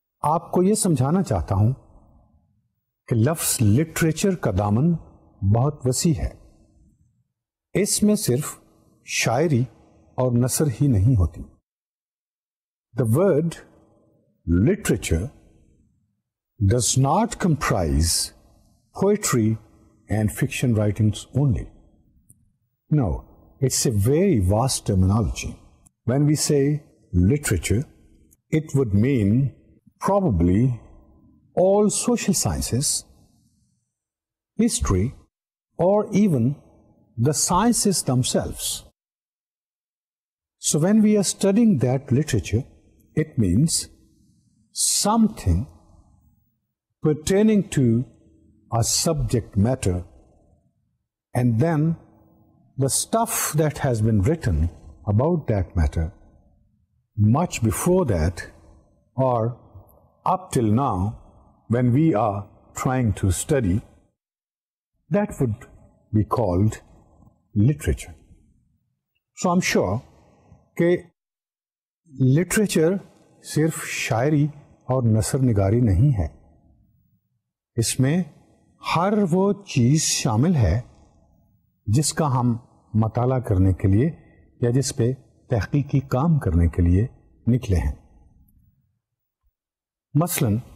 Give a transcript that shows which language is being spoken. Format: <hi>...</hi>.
<ur>آپ کو یہ سمجھانا چاہتا ہوں کہ لفظ لٹریچر کا دامن بہت وسیع ہے اس میں صرف شاعری اور نثر ہی نہیں ہوتی</ur> <en>The word literature does not comprise poetry and fiction writings only. No, it's a very vast terminology. When we say literature, it would mean probably all social sciences, history, or even the sciences themselves. So when we are studying that literature, it means something pertaining to a subject matter, and then the stuff that has been written about that matter much before that or up till now when we are trying to study, that would be called literature. So I'm sure</en> <ur>کہ literature صرف شاعری اور نثر نگاری نہیں ہے اس میں ہر وہ چیز شامل ہے جس کا ہم مطالعہ کرنے کے لیے یا جس پہ تحقیقی کام کرنے کے لیے نکلے ہیں مثلا</ur>